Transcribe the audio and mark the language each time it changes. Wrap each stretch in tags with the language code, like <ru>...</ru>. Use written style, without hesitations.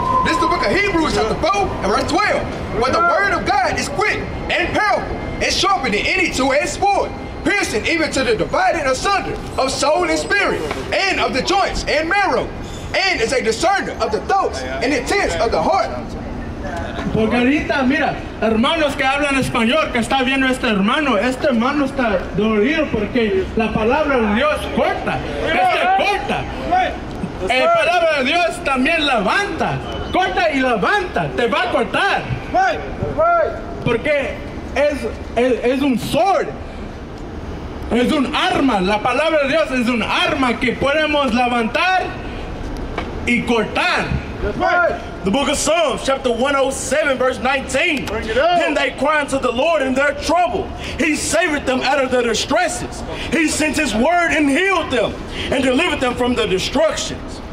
<en>This is the book of Hebrews, chapter 4, and verse 12. But the word of God is quick and powerful, and sharper than any two-edged sword, piercing even to the dividing asunder of soul and spirit, and of the joints and marrow, and is a discerner of the thoughts and intents of the heart.</en> <es>Porque ahorita, mira, hermanos que hablan español, que está viendo este hermano está dolorido porque la palabra de Dios corta, corta. La palabra de Dios también levanta, corta y levanta, te va a cortar. Porque es un sword, es un arma, la palabra de Dios es un arma que podemos levantar y cortar.</es> <en>The book of Psalms, chapter 107, verse 19. Then they cry unto the Lord in their trouble. He saved them out of their distresses. He sent his word and healed them and delivered them from their destructions.</en>